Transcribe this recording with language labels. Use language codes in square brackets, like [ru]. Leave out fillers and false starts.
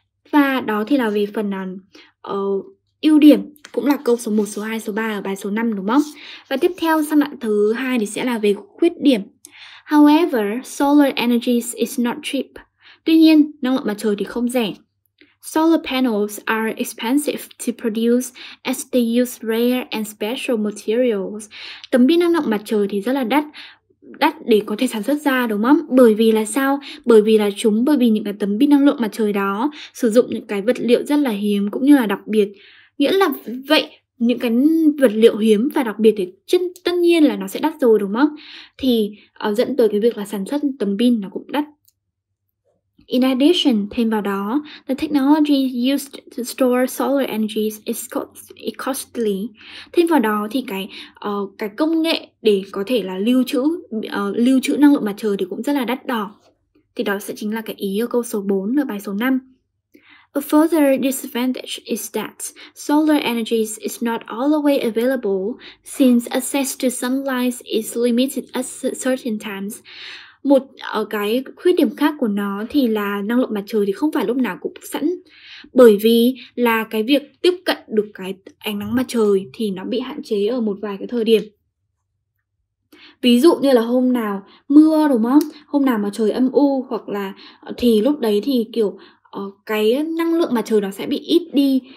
[vi] Và đó thì là về phần ưu điểm. Cũng là câu số 1, số 2, số 3 ở bài số 5, đúng không? Và tiếp theo sang đoạn thứ 2 thì sẽ là về khuyết điểm. [en] However, solar energy is not cheap. [vi] Tuy nhiên, năng lượng mặt trời thì không rẻ. [en] Solar panels are expensive to produce as they use rare and special materials. [vi] Tấm pin năng lượng mặt trời thì rất là đắt, đắt để có thể sản xuất ra, đúng không? Bởi vì là sao? Bởi vì là chúng, bởi vì những cái tấm pin năng lượng mặt trời đó sử dụng những cái vật liệu rất là hiếm cũng như là đặc biệt. Nghĩa là vậy, những cái vật liệu hiếm và đặc biệt thì tất nhiên là nó sẽ đắt rồi, đúng không? Thì dẫn tới cái việc là sản xuất tấm pin nó cũng đắt. [en] In addition, [vi] thêm vào đó, [en] the technology used to store solar energy is costly. [vi] Thêm vào đó thì cái công nghệ để có thể là lưu trữ năng lượng mặt trời thì cũng rất là đắt đỏ. Thì đó sẽ chính là cái ý ở câu số 4 ở bài số 5. [en] A further disadvantage is that solar energy is not always available since access to sunlight is limited at certain times. [vi] Một cái khuyết điểm khác của nó thì là năng lượng mặt trời thì không phải lúc nào cũng sẵn, bởi vì là cái việc tiếp cận được cái ánh nắng mặt trời thì nó bị hạn chế ở một vài cái thời điểm. Ví dụ như là hôm nào mưa đúng không? Hôm nào mà trời âm u hoặc là thì lúc đấy thì kiểu cái năng lượng mặt trời nó sẽ bị ít đi.